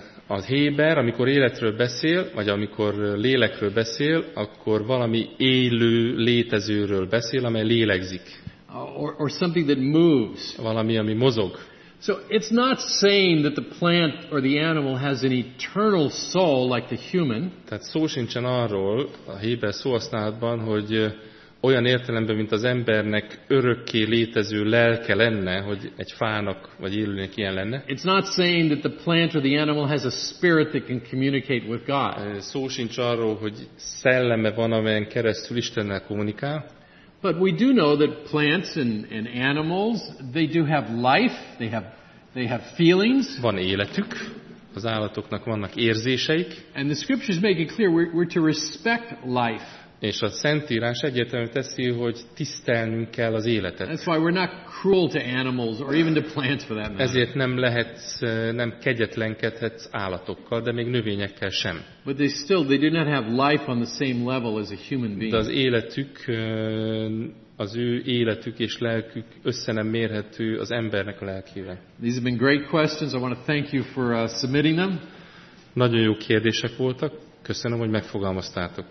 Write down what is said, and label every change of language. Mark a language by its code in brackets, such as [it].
[hu] Az héber, amikor életről beszél, vagy amikor lélekről beszél, akkor valami élő létezőről beszél, amely lélegzik. [en] Or something that moves. [hu] Valami, ami mozog. [en] So it's not saying that the plant or the animal has an eternal soul like the human. [hu] Tehát szó sincsen arról, a héber szóhasználatban, hogy olyan értelemben, mint az embernek örökké létező lelke lenne, hogy egy fának vagy élőnek ilyen lenne. [en] It's not saying that the plant or the animal has a spirit that can communicate with God. [hu] Szó sincs arról, hogy szelleme van, amelyen keresztül Istennel kommunikál. [en] But we do know that plants and animals, they do have life, they have feelings. [hu] Van életük. Az állatoknak vannak érzéseik. [en] And the scriptures make it clear we're to respect life. [hu] És a Szentírás egyértelmű teszi, hogy tisztelnünk kell az életet. [en] That's why we're not cruel to animals or even to plants for that matter. [hu] Ezért nem lehetsz, nem kegyetlenkedhetsz állatokkal, de még növényekkel sem. [en] But they do not have life on the same level as a human being. [hu] De az életük, az ő életük és lelkük össze nem mérhető az embernek a lelkével. [en] These have been great questions. I want to thank you for submitting them. [hu] Nagyon jó kérdések voltak. Köszönöm, hogy megfogalmaztátok.